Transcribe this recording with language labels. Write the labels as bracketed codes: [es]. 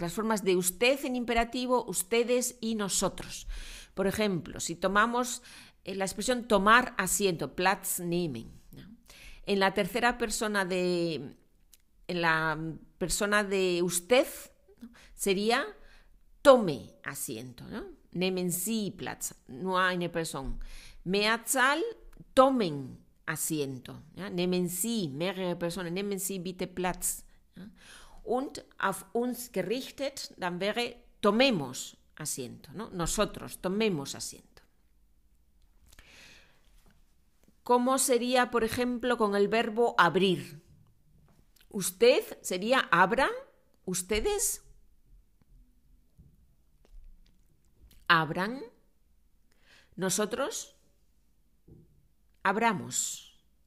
[es] Las formas de usted en imperativo, ustedes y nosotros. Por ejemplo, si tomamos la expresión tomar asiento, [de] Platz nehmen, [es] ¿no? En la tercera persona de usted, ¿no? Sería tome asiento, ¿no? [de] Nehmen Sie Platz, no hay eine Person. Mehrzahl, [es] tomen asiento, ¿ya? [de] Nehmen Sie, mehrere Personen, nehmen Sie bitte Platz, ¿ya? Und auf uns gerichtet, dann wäre [es] tomemos asiento, [de] ¿no? [es] Nosotros, tomemos asiento. ¿Cómo sería, por ejemplo, con el verbo abrir? Usted sería abra, ustedes abran, nosotros abramos.